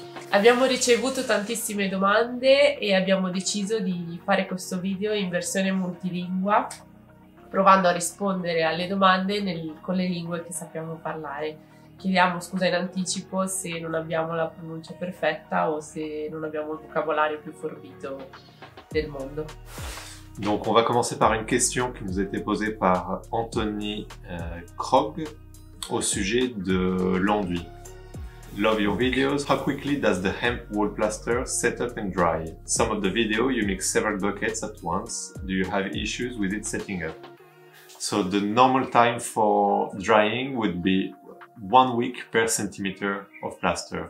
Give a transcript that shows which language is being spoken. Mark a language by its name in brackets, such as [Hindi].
[Italian] Abbiamo ricevuto tantissime domande e abbiamo deciso di fare questo video in versione multilingua, provando a rispondere alle domande con le lingue che sappiamo parlare. Chiediamo scusa in anticipo se non abbiamo la pronuncia perfetta o se non abbiamo il vocabolario più forbito del mondo. [French] Donc on va commencer par une question qui nous a été posée par Anthony Krog au sujet de l'enduit. [English] Love your videos. How quickly does the hemp wall plaster set up and dry? Some of the video you mix several buckets at once. Do you have issues with it setting up? So the normal time for drying would be 1 week per centimeter of plaster.